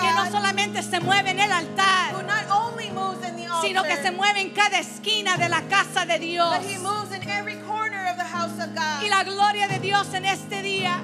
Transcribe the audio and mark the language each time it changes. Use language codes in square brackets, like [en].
[es] que no solamente se mueve en el altar, [en] who not only moves in the altar, [es] sino que se mueve en cada esquina de la casa de Dios. [en] But he moves in every corner of the house of God. [es] Y la gloria de Dios en este día,